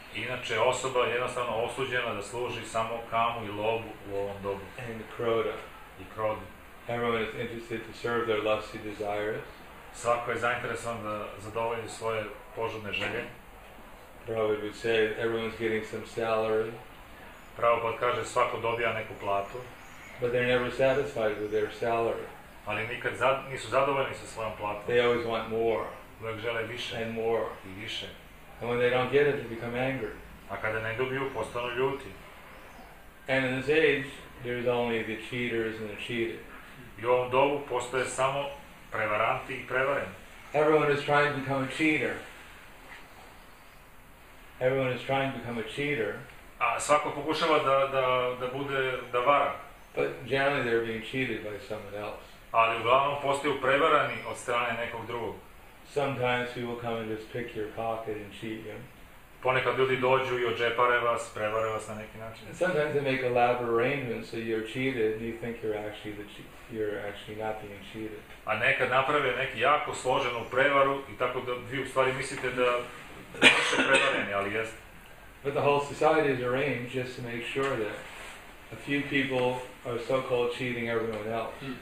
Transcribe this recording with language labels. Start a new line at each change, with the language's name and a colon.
Serbian: Inače osoba je jednostavno osuđena da služi samo kamu i lobu u ovom dobu.
English: And krodha.
Serbian: I krodhi.
English: Everyone is interested to serve their lusty desires.
Serbian: Svako je zainteresovan da zadovolji svoje požudne želje.
English: Prabhupada would say everyone's getting some salary.
Serbian: Prabhupada kaže svako dobija neku platu.
English: But they're never satisfied with their salary.
Serbian: Ali nikad nisu zadovoljni sa svojom platom.
English: They always want more.
Serbian: Uvijek žele više.
English: And more.
Serbian: I više.
English: And when they don't get it, they become angry.
Serbian: A kada ne dobiju, postanu ljuti.
English: And in this age, there's only the cheaters and the cheated.
Serbian: I u ovom dobu postoje samo prevaranti i prevareni.
English: Everyone is trying to become a cheater. Everyone is trying to become a cheater.
Serbian: A svako pokušava da bude da vara.
English: But generally they're being cheated by someone else.
Serbian: Ali uglavnom postaju prevarani od strane nekog drugog.
English: Sometimes people come and just pick your pocket and cheat you.
Serbian: Ponekad ljudi dođu i odžepare vas, prevare vas na neki način.
English: And sometimes they make elaborate arrangements so you're cheated and you think you're actually not being cheated.
Serbian: A nekad naprave neki jako složenu prevaru i tako da vi u stvari mislite da ste prevareni, ali jeste.
English: But the whole society is arranged just to make sure that a few people are so-called cheating everyone else.